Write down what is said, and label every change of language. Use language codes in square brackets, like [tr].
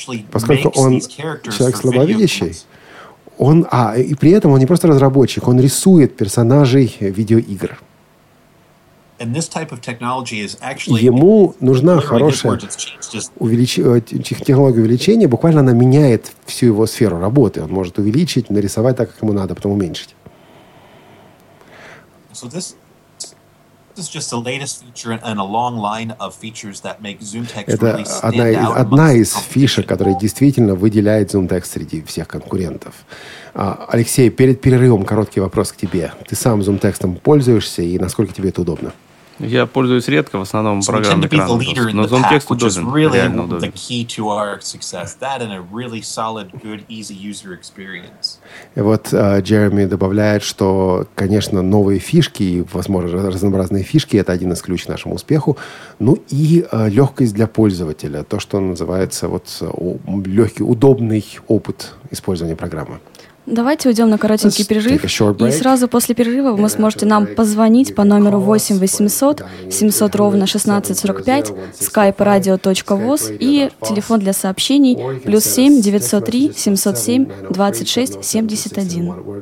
[ru] Поскольку он человек слабовидящий, и при этом он не просто разработчик, он рисует персонажей видеоигр. ему нужна хорошая технология увеличения. Буквально она меняет всю его сферу работы. Он может увеличить, нарисовать так, как ему надо, потом уменьшить. [en] So this is just the latest feature in a long line of features that make ZoomText really stand out. [ru] Это одна из фишек, которая действительно выделяет ZoomText среди всех конкурентов. Алексей, перед перерывом короткий вопрос к тебе. Ты сам ZoomText'ом пользуешься, и насколько тебе это удобно? Я пользуюсь редко, в основном программой экрана. Но ZoomText удобен, реально удобен. [en] The key to our success. That and a really solid, good, easy user experience. [ru] И вот Джереми добавляет, что, конечно, новые фишки и, возможно, разнообразные фишки – это один из ключей к нашему успеху. Ну и легкость для пользователя. То, что называется вот, легкий, удобный опыт использования программы. Давайте уйдем на коротенький перерыв, и сразу после перерыва вы сможете нам позвонить по номеру 8 800 700 ровно 1645, skype-radio.voz и телефон для сообщений плюс 7 903 707 26 71.